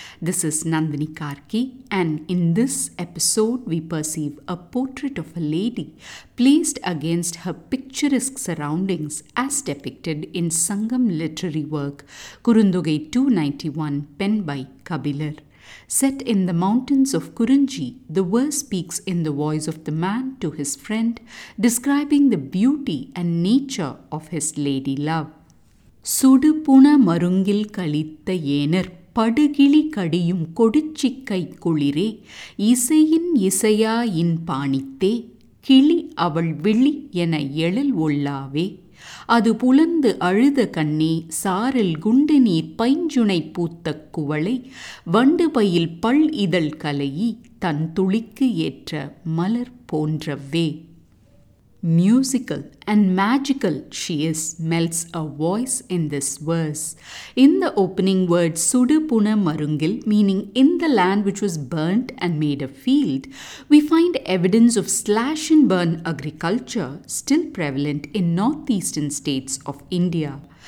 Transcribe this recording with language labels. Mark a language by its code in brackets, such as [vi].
[en] This is Nandini Karki, and in this episode we perceive a portrait of a lady placed against her picturesque surroundings as depicted in Sangam literary work Kurundugai 291 penned by Kabilar. Set in the mountains of Kurunji, the verse speaks in the voice of the man to his friend, describing the beauty and nature of his lady love. [ta] சுடுபுண மருங்கில் கழித்த earner படுகிளி கடியும் கொடுச்சிக்கை குளிரே இசையின் இசையா இன் பாணித்தே கிளி அவள் விழி என எழில் உள்ளாவே அது புலந்து அழுத கண்ணே சாரல் குண்டு நீர் பைஞ்சுனை பூத்த குவளை வண்டு பையில் பல் இதழ் கலையி தன் துளிக்கு ஏற்ற மலர் போன்றவே. [en] Musical and magical she is, melts a voice in this verse. In the opening word, Sudupuna Marungil, meaning in the land which was burnt and made a field, we find evidence of slash and burn agriculture still prevalent in northeastern states of India.